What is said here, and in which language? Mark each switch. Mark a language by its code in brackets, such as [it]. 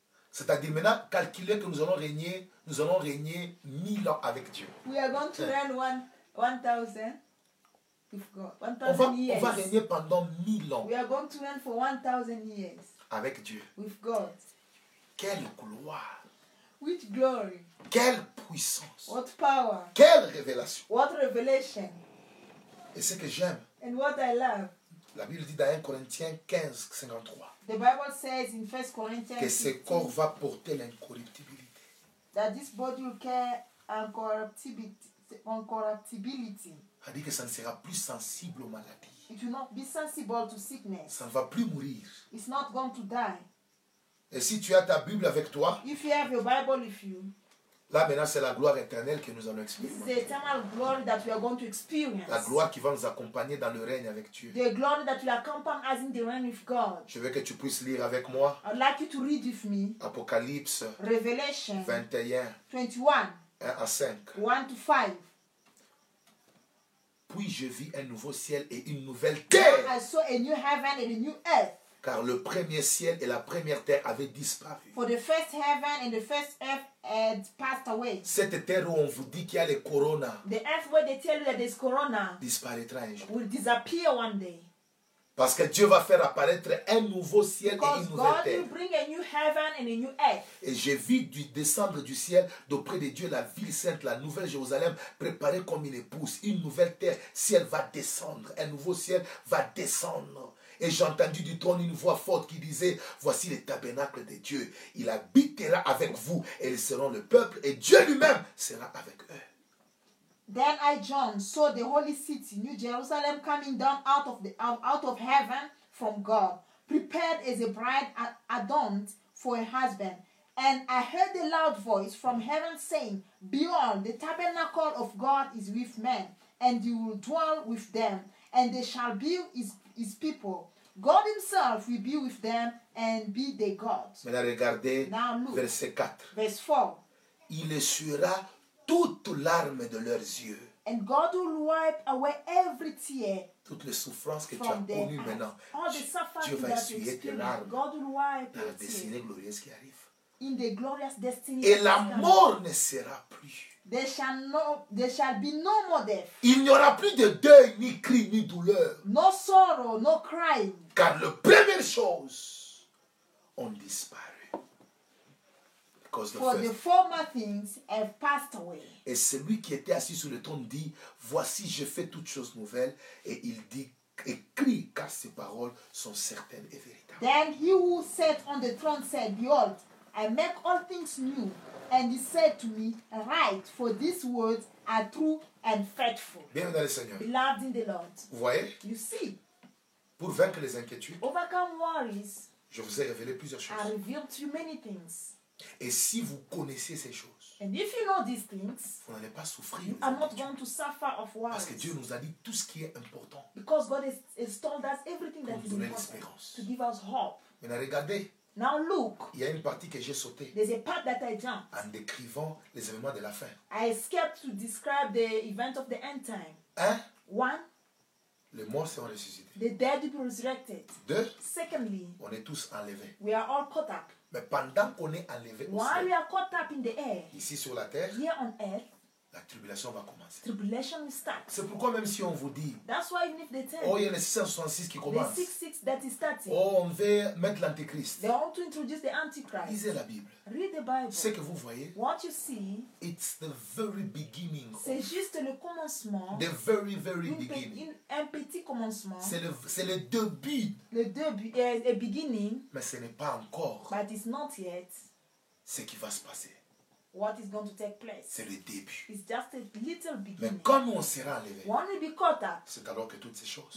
[fr] C'est-à-dire maintenant, calculer que nous allons régner 1000 ans avec Dieu. [en] We are going to reign 1,000. With God. 1,000 [fr] on va régner pendant 1000 ans. [en] We are going to reign for 1,000 years. [fr] Avec Dieu. [en] With God. [fr] Quelle gloire. [en] Which glory. [fr] Quelle puissance. [en] What power. [fr] Quelle révélation. [en] What revelation. [fr] Et ce que j'aime. [en] And what I love. [fr] La Bible dit dans 1 Corinthiens 15, 53. [en] The Bible says in 1 Corinthians [fr] que ce corps va porter l'incorruptibilité. [en] That this body will carry incorruptibility. [fr] A dit que ça ne sera plus sensible aux maladies. [en] It will not be sensible to sickness. [fr] Ça ne va plus mourir. [en] It's not going to die. [fr] Et si tu as ta Bible avec toi? [en] If you have your Bible with you. [fr] Là maintenant c'est la gloire éternelle que nous allons expérimenter. [en] This is the eternal glory that we are going to experience. [fr] La gloire qui va nous accompagner dans le règne avec Dieu. [en] The glory that will accompany us in the reign with God. [fr] Je veux que tu puisses lire avec moi. [en] I'd like you to read with me. [fr] Apocalypse. [en] Revelation. [fr] 21. 1 à 5. [en] 1 to 5. [fr] Puis je vis un nouveau ciel et une nouvelle terre. [en] I saw a new heaven and a new earth. [fr] Car le premier ciel et la première terre avaient disparu. [en] For the first heaven and the first earth had passed away. [fr] Cette terre où on vous dit qu'il y a les corona. [en] The earth where they tell you that there's corona. [fr] Disparaîtra un jour. [en] Will disappear one day. [fr] Parce que Dieu va faire apparaître un nouveau ciel [en] because [fr] et une nouvelle [en] God [fr] terre. [en] Will bring a new heaven and a new earth. [fr] Et j'ai vu du descendre du ciel d'auprès de Dieu la ville sainte, la nouvelle Jérusalem, préparée comme une épouse. Une nouvelle terre, ciel va descendre. Un nouveau ciel va descendre. Et j'ai entendu du trône une voix forte qui disait, voici le tabernacle de Dieu. Il habitera avec vous et ils seront le peuple et Dieu lui-même sera avec eux. [en] Then I, John, saw the holy city, New Jerusalem, coming down out of heaven from God, prepared as a bride adorned for a husband. And I heard a loud voice from heaven saying, behold, the tabernacle of God is with men, and he will dwell with them, and they shall be his people. God himself will be with them and be their God. [fr] Mais là, regardez, [en] now look, [fr] verset 4. [en] Verse 4. [fr] Il essuiera toutes larmes de leurs yeux. [en] And God will wipe away every tear. [fr] Toutes les souffrances que tu as connues maintenant. Dieu va essuyer tes larmes. [en] God will wipe [fr] dans la destinée glorieuse qui arrive. [en] In the glorious destiny. [fr] Et la mort ne sera plus. [en] There shall be no more death. [fr] Il n'y aura plus de deuil, ni cri, ni douleur. [en] No sorrow, no crying. [fr] Car les premières choses ont disparu. [en] For the former things have passed away. [fr] Et celui qui était assis sur le trône dit, voici je fais toutes choses nouvelles. Et il dit, écris car ces paroles sont certaines et véritables. [en] Then he who sat on the throne said, behold, I make all things new. And he said to me, write, for these words are true and faithful. [fr] Bienvenue dans le Seigneur. [en] Beloved in the Lord. [fr] Vous voyez? [en] You see. [fr] Pour vaincre les inquiétudes. [en] Overcome worries. [fr] Je vous ai révélé plusieurs choses. [en] I revealed to you many things. [fr] Et si vous connaissiez ces choses, [en] And if you know these things, [fr] vous n'allez pas souffrir. [en] You are not going to suffer of worries. [fr] Parce que Dieu nous a dit tout ce qui est important. [en] Because God has told us everything that is important. To give us hope. [fr] Mais regardez. [en] Now look. [fr] Il y a une partie que j'ai sauté. [en] There's a part that I jumped. [fr] En décrivant les événements de la fin. [en] I skipped to describe the event of the end time. [fr] Hein? [en] One. [fr] Les morts seront ressuscités. [en] The dead will be resurrected. [fr] Deux. [en] Secondly. [fr] On est tous enlevés. [en] We are all caught up. [fr] Mais pendant qu'on est enlevé au ciel, [en] while we are caught up in the air, [fr] ici sur la terre, [en] here on earth, [fr] la tribulation va commencer. [en] Tribulation will start. [fr] C'est pourquoi même si on vous dit, [en] that's why even if they tell, [fr] oh, il y a les 666 qui commencent, [en] the 666 that is starting, [fr] oh, on veut mettre l'antichrist, [en] they want to introduce the antichrist. [fr] Lisez la Bible. [en] Read the Bible. [fr] Ce que vous voyez, [en] what you see, it's the very beginning. [fr] C'est juste le commencement. [en] The very, very beginning. [fr] Un petit commencement. C'est le début. Le début, [en] the beginning. [fr] Mais ce n'est pas encore. [en] But it's not yet. [fr] Ce qui va se passer. [en] What is going to take place? [fr] C'est le début. [en] It's just a little beginning. [fr] Mais quand on sera enlevé, [en] when we be caught up, [fr] c'est alors que toutes ces choses.